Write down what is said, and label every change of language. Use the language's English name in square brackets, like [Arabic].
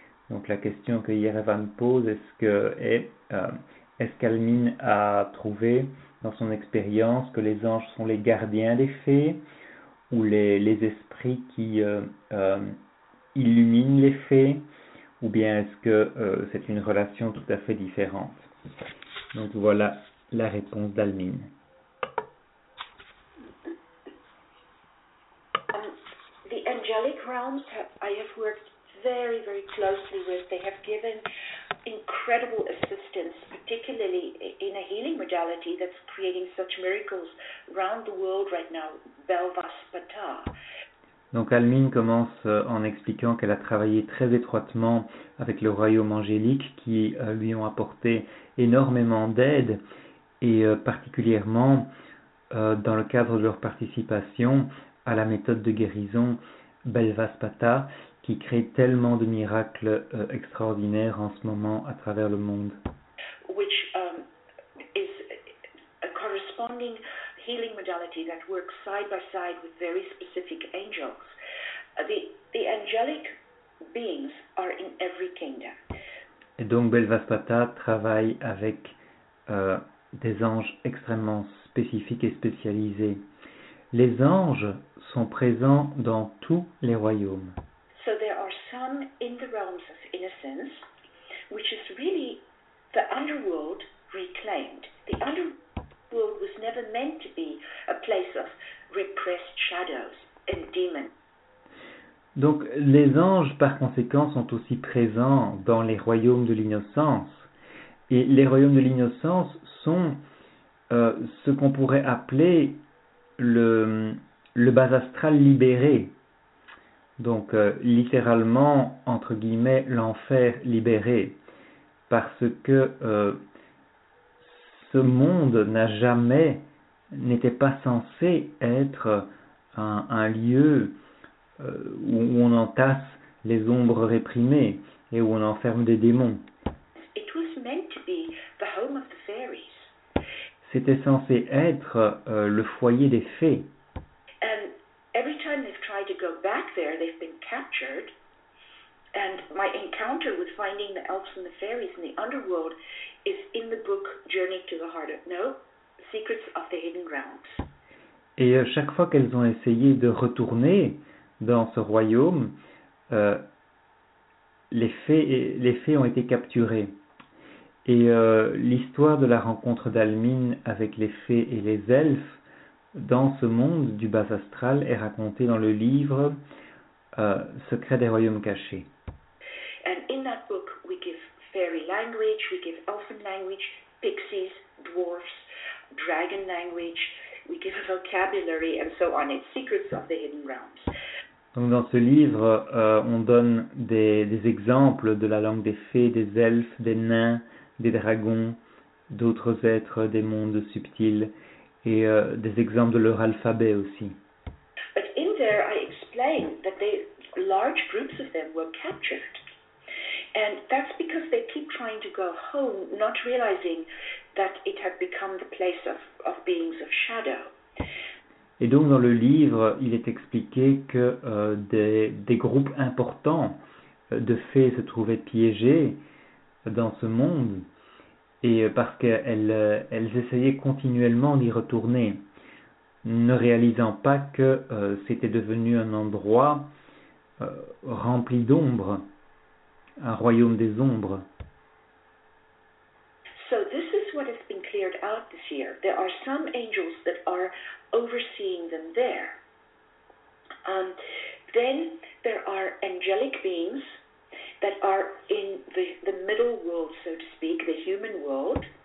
[French] Donc la question que Yerevan pose est-ce qu'Almine a trouvé dans son expérience que les anges sont les gardiens des fées ou les esprits qui illuminent les fées ou bien est-ce que c'est une relation tout à fait différente? Donc voilà la réponse d'Almine. [English] Angelic realms, I have worked very, very closely with. They have given incredible assistance, particularly in a healing modality that's creating such miracles around the world right now, Belvaspatar. [French] Donc Almine commence en expliquant qu'elle a travaillé très étroitement avec le royaume angélique qui lui ont apporté énormément d'aide et particulièrement dans le cadre de leur participation à la méthode de guérison Belvaspata qui crée tellement de miracles extraordinaires en ce moment à travers le monde. [English] Which is a corresponding healing modality that works side by side with very specific angels. The angelic beings are in every kingdom. [French] Et donc Belvaspata travaille avec des anges extrêmement spécifiques et spécialisés. Les anges sont présents dans tous les royaumes. [English] So there are some in the realms of innocence, which is really the underworld reclaimed. The underworld was never meant to be a place of repressed shadows and demons. [French] Donc les anges, par conséquent, sont aussi présents dans les royaumes de l'innocence. Et les royaumes de l'innocence sont ce qu'on pourrait appeler le bas astral libéré, donc littéralement entre guillemets l'enfer libéré, parce que ce monde n'a jamais, n'était pas censé être un lieu où on entasse les ombres réprimées et où on enferme des démons. [English] It was meant to be the home of the fairies. [French] C'était censé être le foyer des fées. [English] And every time they've tried to go back there, they've been captured. And my encounter with finding the elves and the fairies in the underworld is in the book Journey to the Heart of No, Secrets of the Hidden Realms. [French] Et chaque fois qu'elles ont essayé de retourner dans ce royaume, les fées ont été capturées. Et l'histoire de la rencontre d'Almine avec les fées et les elfes dans ce monde du bas astral est racontée dans le livre Secret des royaumes cachés. [English] And in that book, we give fairy language, we give elfin language, pixies, dwarfs, dragon language, we give a vocabulary and so on. It's secrets of the hidden realms. [French] Donc dans ce livre, on donne des exemples de la langue des fées, des elfes, des nains, des dragons, d'autres êtres, des mondes subtils et des exemples de leur alphabet aussi. [English] There, I explain that they, large groups of them were captured. And that's because they keep trying to go home, not realizing that it had become the place of beings of shadow. [French] Et donc dans le livre, il est expliqué que des groupes importants de fées se trouvaient piégés dans ce monde et parce qu'elles essayaient continuellement d'y retourner, ne réalisant pas que c'était devenu un endroit rempli d'ombre, un royaume des ombres. [English] So this is what has been cleared out this year. There are some angels that are overseeing them there. Then there are angelic beings that are in the middle world, so to speak, the human world.